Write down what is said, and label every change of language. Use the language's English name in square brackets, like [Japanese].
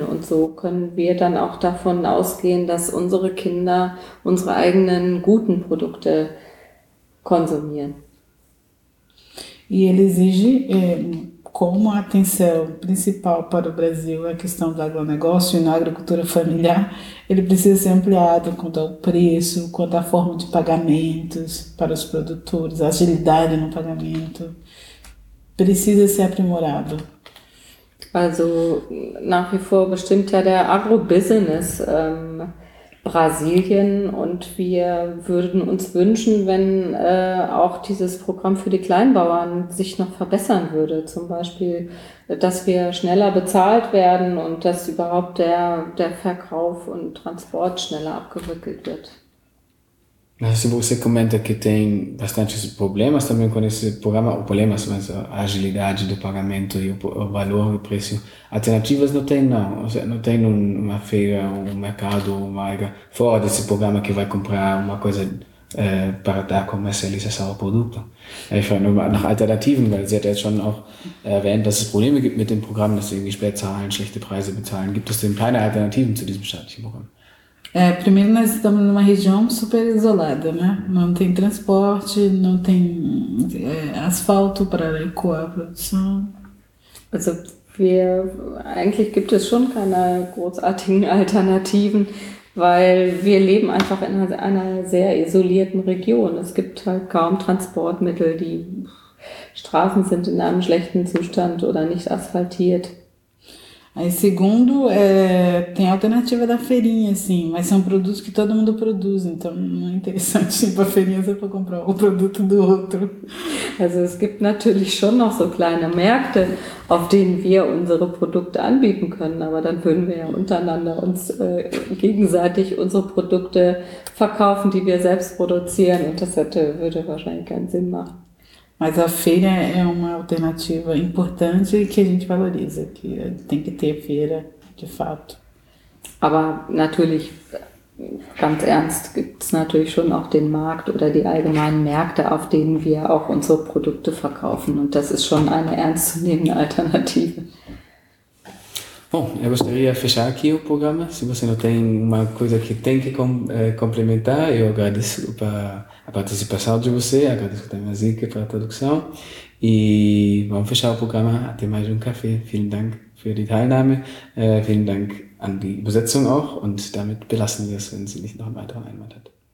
[German] Und so können wir dann auch davon ausgehen, dass unsere Kinder unsere eigenen guten Produkte konsumieren. [Portuguese] E ele exige, como a atenção principal para o Brasil é a questão do agronegócio e na agricultura familiar, ele precisa ser ampliado quanto ao preço, quanto à forma de pagamentos para os produtores, a agilidade no pagamento, precisa ser aprimorado. [German] Also nach wie vor bestimmt ja der Agrobusiness Brasilien und wir würden uns wünschen, wenn auch dieses Programm für die Kleinbauern sich noch verbessern würde. Zum Beispiel, dass wir schneller bezahlt werden und dass überhaupt der Verkauf und Transport schneller abgewickelt wird. [Portuguese] Se você comenta que tem bastantes problemas também com esse programa, ou problemas, mas a agilidade do pagamento e o valor e o preço, alternativas não tem não, ou seja, não tem uma feira, um mercado, uma área fora desse programa que vai comprar uma coisa para dar comercialização ao produto. [German] Ich frage nur nach Alternativen, weil sie hat ja jetzt schon auch erwähnt, dass es Probleme gibt mit dem Programm, dass sie irgendwie spät zahlen, schlechte Preise bezahlen. Gibt es denn keine Alternativen zu diesem staatlichen Programm? [Portuguese] Primeiro, nós estamos numa região super isolada, né? Não tem transporte, não tem asfalto para ecoar a produção. [German] Also, eigentlich gibt es schon keine großartigen Alternativen, weil wir leben einfach in einer sehr isolierten Region. Es gibt halt kaum Transportmittel, die Straßen sind in einem schlechten Zustand oder nicht asphaltiert. [Portuguese] Aí, segundo, tem a alternativa da feirinha, assim, mas são produtos que todo mundo produz, então não é interessante ir para a feirinha só para comprar o produto do outro. [German] Also, es gibt natürlich schon noch so kleine Märkte, auf denen wir unsere Produkte anbieten können, aber dann würden wir ja untereinander uns gegenseitig unsere Produkte verkaufen, die wir selbst produzieren, und das würde wahrscheinlich keinen Sinn machen. [Portuguese] Mas a feira é uma alternativa importante que a gente valoriza, que tem que ter feira, de fato. [German] Aber natürlich, ganz ernst, gibt es natürlich schon auch den Markt oder die allgemeinen Märkte, auf denen wir auch unsere Produkte verkaufen. Und das ist schon eine ernstzunehmende Alternative. [Portuguese] Bom, eu gostaria de fechar aqui o programa. Se você não tem uma coisa que tem que complementar, eu agradeço a participação de você, agradeço também a Zika pela tradução. E vamos fechar o programa. Até mais um café. [German] Vielen Dank für die Teilnahme. Vielen Dank an die Übersetzung auch. Und damit belassen wir es, wenn sie nicht noch einen weiteren Einwand hat.